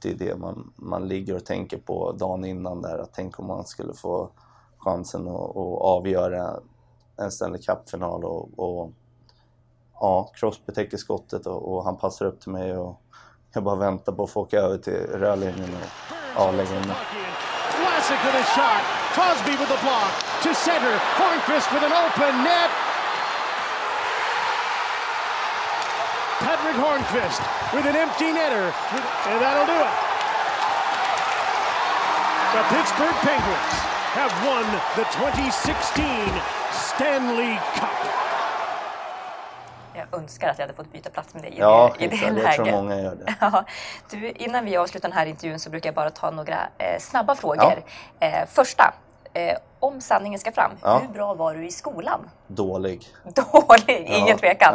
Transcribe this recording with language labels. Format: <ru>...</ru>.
<sv>Det är det man ligger och tänker på dagen innan där, att tänk om man skulle få chansen att avgöra en Stanley Cup-final och ja, Cross betäcker skottet och han passar upp till mig och jag bara väntar på att få åka över till rörlinjen och lägga in.</sv> <en>Classic with a shot. Crosby with the block to center. Hornqvist with an open net. Patrick Hornqvist with an empty netter. And that'll do it. The Pittsburgh Penguins have won the 2016 Stanley Cup.</en> <sv>Jag önskar att jag hade fått byta plats med dig i det läget. Ja, jag tror många gör det. Ja. Du, innan vi avslutar den här intervjun så brukar jag bara ta några snabba frågor. Ja. Första, om sanningen ska fram, hur bra var du i skolan? Dålig. Dålig? Ingen tvekan?</sv>